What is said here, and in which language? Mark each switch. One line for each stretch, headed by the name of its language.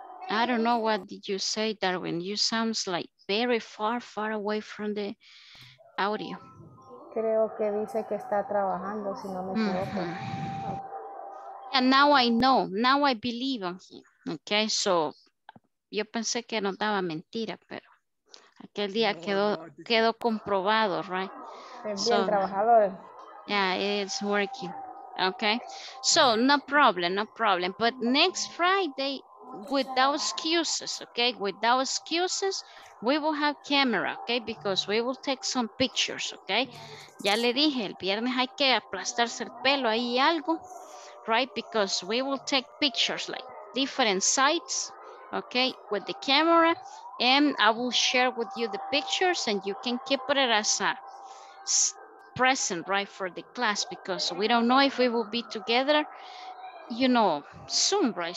English: I don't know what did you say, Darwin. You sounds like very far, far away from the audio.
Spanish: Creo que dice que está trabajando, si no me equivoco.
English: And now I know. Now I believe on him.
Spanish: Okay, so yo pensé que no daba mentira, pero aquel día quedó comprobado, right?
English: So, yeah, it's working. Okay. So no problem, no problem. But next Friday, without excuses, okay? Without excuses, we will have camera, okay? Because we will take some pictures, okay?
Spanish: Ya le dije, el viernes hay que aplastarse el pelo ahí algo, right?
English: Because we will take pictures like different sites, okay? With the camera, and I will share with you the pictures and you can keep it as a present, right, for the class, because we don't know if we will be together, you know, soon, right?